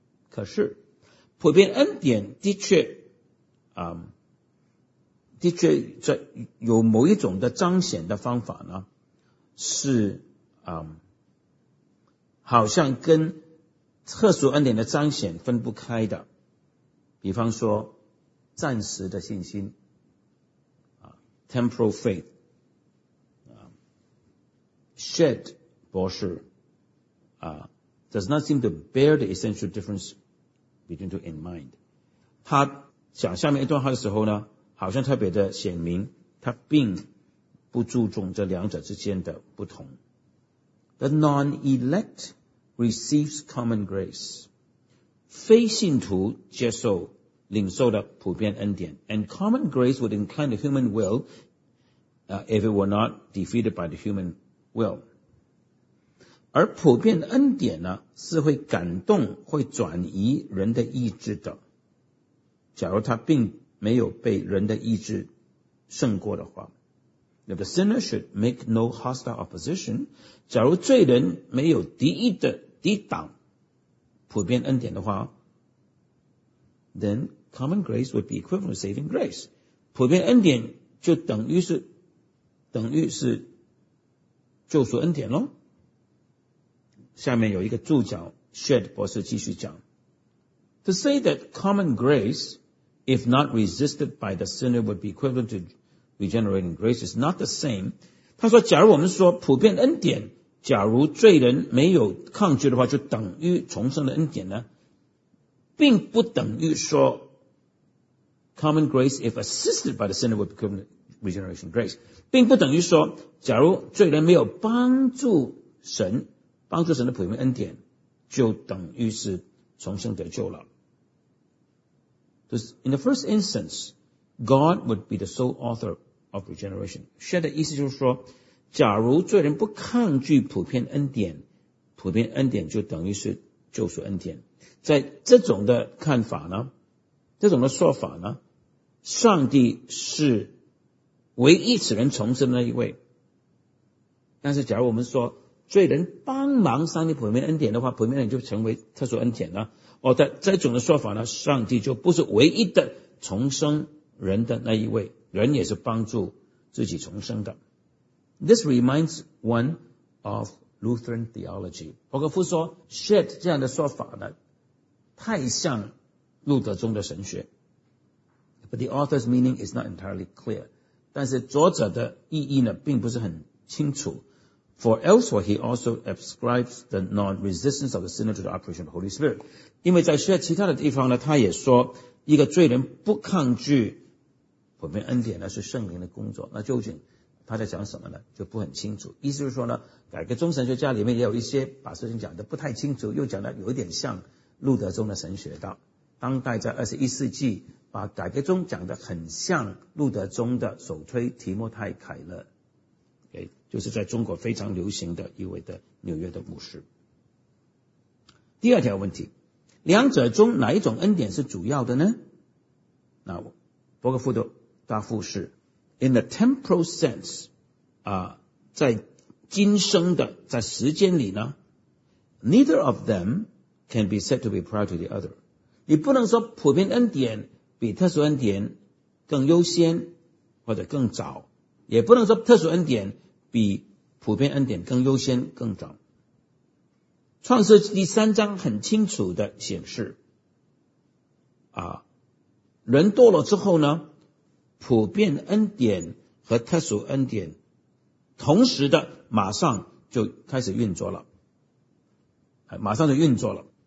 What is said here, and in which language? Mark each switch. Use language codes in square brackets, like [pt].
[zh] 可是普遍恩典的确的确在有某一种的彰显的方法呢是好像跟特殊恩典的彰显分不开的。比方说暂时的信心 [en] temporal faith, shed 博士 does not seem to bear the essential difference between two in mind. [zh] 他讲下面一段话的时候呢好像特别的显明他并不注重这两者之间的不同。 [en] The non-elect receives common grace. [zh] 非信徒接受领受的普遍恩典。 [en] And common grace would incline the human will, if it were not defeated by the human will. [zh] 而普遍恩典呢是会感动会转移人的意志的。假如他并没有被人的意志胜过的话。 [en] If the sinner should make no hostile opposition, [zh] 假如罪人没有敌意的抵挡普遍恩典的话 [en] ,then common grace would be equivalent to saving grace. [zh] 普遍恩典就等于是救赎恩典咯。下面有一个注脚 ,Shed 博士继续讲。 [en] To say that common grace, if not resisted by the sinner, would be equivalent to regenerating grace is not the same. [zh] 他说假如我们说普遍恩典假如罪人没有抗拒的话就等于重生的恩典呢并不等于说 [en] common grace if assisted by the sinner would become regeneration grace [zh] 并不等于说假如罪人没有帮助神的普遍恩典就等于是重生得救了。 [en] In the first instance, God would be the sole author of regeneration. [zh] Shed 的意思就是说假如罪人不抗拒普遍恩典，普遍恩典就等于是救赎恩典。在这种的看法呢，这种的说法呢，上帝是唯一使人重生的那一位。但是假如我们说罪人帮忙上帝普遍恩典的话，普遍恩典就成为特殊恩典了。哦，在这种的说法呢，上帝就不是唯一的重生人的那一位，人也是帮助自己重生的。 [en] This reminds one of Lutheran theology. [zh] 伯格夫说 Shed 这样的说法呢太像路德宗的神学。 [en] But the author's meaning is not entirely clear. [zh] 但是作者的意义呢并不是很清楚。 [en] For elsewhere, he also ascribes the non-resistance of the sinner to the operation of the Holy Spirit. [zh] 因为在许多其他的地方呢，他也说一个罪人不抗拒普遍恩典呢是圣灵的工作。那究竟他在讲什么呢？就不很清楚。意思是说呢，改革中神学家里面也有一些把事情讲得不太清楚，又讲得有点像路德宗的神学道。当代在21世纪把改革中讲得很像路德宗的首推提摩太凯勒，就是在中国非常流行的一位的纽约的牧师。第二条问题，两者中哪一种恩典是主要的呢？那伯格福德答复是 [en] In the temporal sense、 [zh] 在今生的在时间里呢， [en] Neither of them can be said to be prior to the other。 [zh] 你不能说普遍恩典比特殊恩典更优先或者更早，也不能说特殊恩典比普遍恩典更优先更早。创世纪第三章很清楚的显示啊，人堕落之后呢，普遍恩典和特殊恩典同时的马上就开始运作了，马上就运作了。